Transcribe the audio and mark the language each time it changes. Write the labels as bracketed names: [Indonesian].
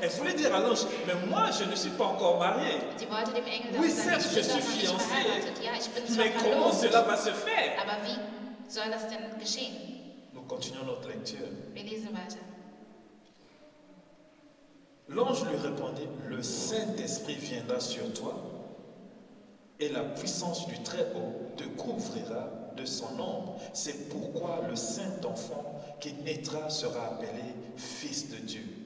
[French] Elle voulait dire à l'ange, mais moi je ne suis pas encore mariée. [German] Sie wollte dem Engel [French] oui, [German] sagen, [French] certes, je suis fiancée. [German] Ja, ich bin [French] mais [German] verlobt. [French] Comment cela va se faire? [German] Aber wie soll das denn geschehen? [French] Nous continuons notre lecture. [German] Wir lesen weiter. [French] L'ange lui répondit, le Saint-Esprit viendra sur toi. Et la puissance du Très-Haut te couvrira de son ombre. C'est pourquoi le Saint-Enfant qui naîtra sera appelé Fils de Dieu.